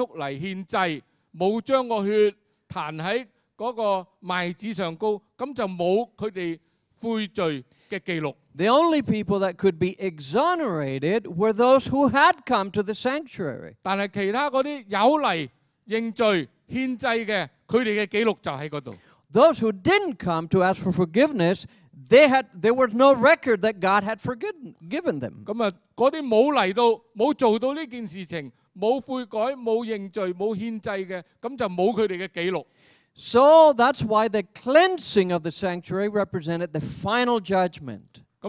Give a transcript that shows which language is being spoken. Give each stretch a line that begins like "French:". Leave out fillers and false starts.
Chinese: 如果古时代的以色列人他们犯了罪，没有带牲畜来献祭，没有将个血弹在
English: The only people that could be exonerated were those who had come to the sanctuary. Those who didn't come to ask for forgiveness, there was no record that God had forgiven them.
Chinese: 没有来到，没有做到这件事情，没有悔改，没有认罪，没有献祭的，那就没有他们的记录。
English: So that's why the cleansing of the sanctuary represented the final judgment.